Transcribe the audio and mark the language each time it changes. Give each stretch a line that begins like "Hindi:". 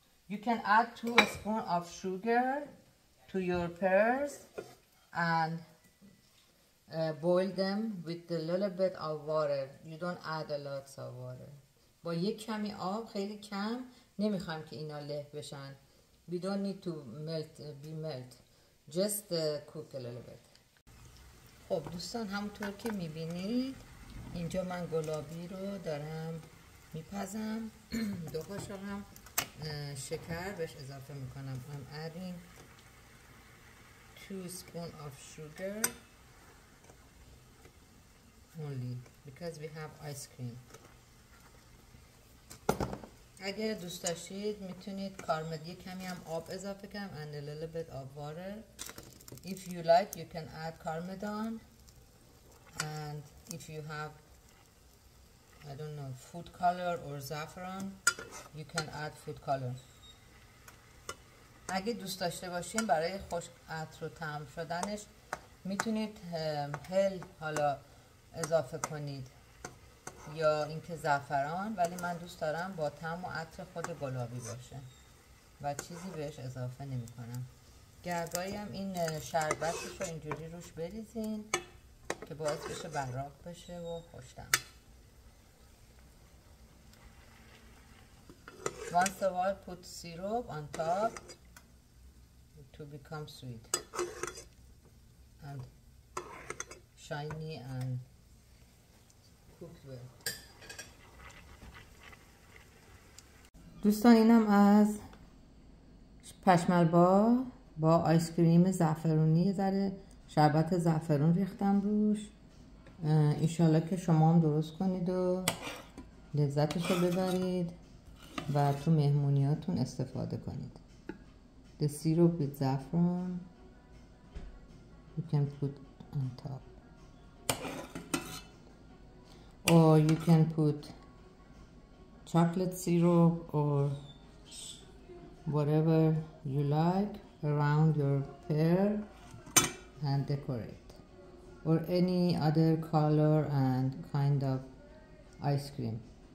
English: You can add 2 spoons of sugar to your pears and boil them with a little bit of water. You don't add a lot of water.
Persian: با یک کمی آب، خیلی کم، نمیخوام که اینا له بشن.
English: We don't need to melt. Just cook a little bit.
Persian: خب دوستان همونطور که میبینید اینجا من گلابی رو دارم میپزم. 2 قاشق هم شکر بهش اضافه میکنم.
English: I'm adding 2 spoons of sugar. Only because we have ice cream.
Persian: اگر دوست داشتید میتونید کارمل یه کمی هم آب اضافه کنم.
English: And a little bit of water. If you like you can add carmadon. And if you have, I don't know, food color or saffron, you can add food color.
Persian: اگه دوست داشته باشین برای خوش عطر و طعم شدنش میتونید هل حالا اضافه کنید یا اینکه زعفران، ولی من دوست دارم با طعم و عطر خود گلابی باشه و چیزی بهش اضافه نمی کنم. گرگایی هم این شربتش رو اینجوری روش بریزین که باعث بشه براق بشه و خوش طعم.
English: Once a while put syrup on top to become sweet and shiny and
Persian: دوستان اینم از پشملبا با آیس کریم زعفرونی، ذره شربت زعفرون ریختم روش. ایشالله که شما هم درست کنید و لذتشو ببرید و تو مهمونیاتون استفاده کنید.
English: The syrup with saffron you can put on top. Or you can put chocolate syrup or whatever you like around your pear and decorate. Or any other color and kind of ice cream.